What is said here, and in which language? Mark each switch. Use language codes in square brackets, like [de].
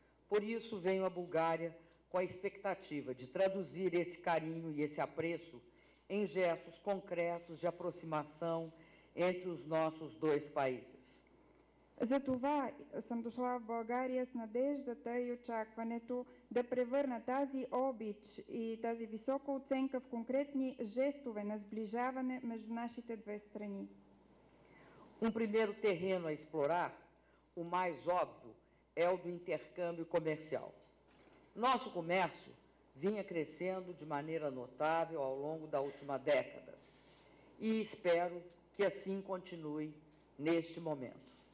[pt] Por isso venho à Bulgária com a expectativa de traduzir esse carinho e esse apreço em gestos concretos de aproximação entre os nossos dois países. [bg] Затова съм дошла в България с надеждата и очакването да превърна тази обич и тази висока оценка в конкретни жестове на сближаване между нашите две страни. [pt] Primeiro terreno a explorar, o mais óbvio, é o do intercâmbio comercial. Nosso comércio vinha crescendo de maneira notável ao longo da última década e espero que assim continue neste momento.